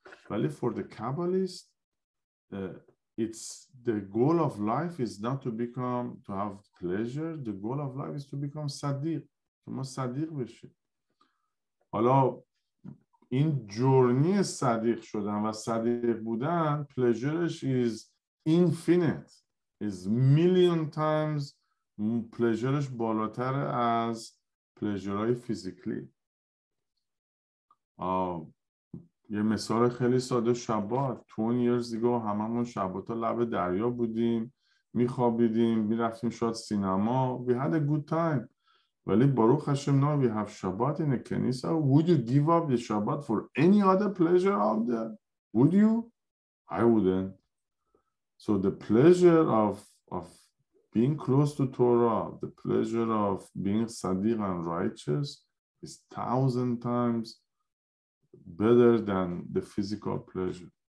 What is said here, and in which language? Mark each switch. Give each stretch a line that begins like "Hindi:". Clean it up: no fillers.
Persian: ولی
English: for the Kabbalist, it's the goal of life is not to become, to have pleasure. The goal of life is to become صدیق.
Persian: که ما صدیق بشیم. حالا این جورنی صدیق شدن و صدیق بودن پلیجرش
English: is infinite is million times
Persian: پلیجرش بالاتر از پلیجرهای فیزیکلی یه مثال خیلی ساده شبات
English: 20 years ago
Persian: هممون شباتا لب دریا بودیم میخوابیدیم میرفتیم شاد سینما
English: we had a good time
Persian: ولی باروخ هشم نا وی هف شبات اینه کنیسا
English: Would you give up the Shabbat for any other pleasure out there? Would you? I wouldn't. So the pleasure of being close to Torah, the pleasure of being sadiq and righteous is thousand times better than the physical pleasure.